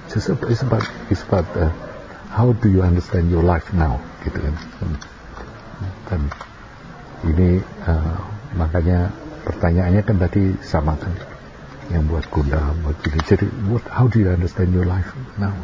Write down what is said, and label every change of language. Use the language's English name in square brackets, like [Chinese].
[English] It's about how do you understand your life now, gitu kan? [Indonesian] Dan ini makanya pertanyaannya kan tadi sama kan, yang buat gundah, buat gini. [English] Jadi, how do you understand your life now?